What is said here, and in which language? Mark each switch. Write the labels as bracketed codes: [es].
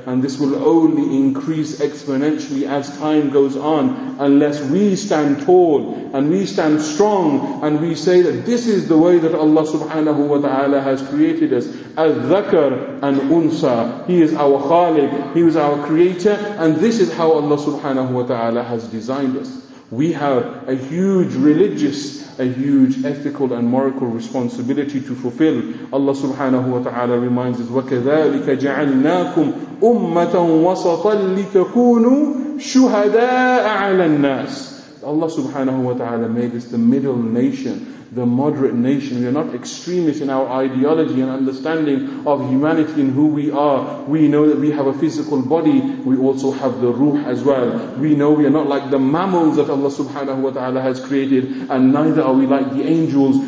[en] And this will only increase exponentially as time goes on, unless we stand tall and we stand strong and we say that this is the way that Allah subhanahu wa ta'ala has created us. Al-Dhakar and Unsa. He is our Khaliq. He was our creator. And this is how Allah subhanahu wa ta'ala has designed us. We have a huge religious, a huge ethical and moral responsibility to fulfill. [ar] Allah subhanahu wa ta'ala [en] reminds us, [ar] وَكَذَٰلِكَ جَعَلْنَاكُمْ أُمَّةً وَسَطًا لِتَكُونُوا شُهَدَاءَ عَلَى النَّاسِ. [en] Allah subhanahu wa ta'ala made us the middle nation, the moderate nation. We are not extremists in our ideology and understanding of humanity and who we are. We know that we have a physical body. We also have the ruh as well. We know we are not like the mammals that Allah subhanahu wa ta'ala has created, and neither are we like the angels.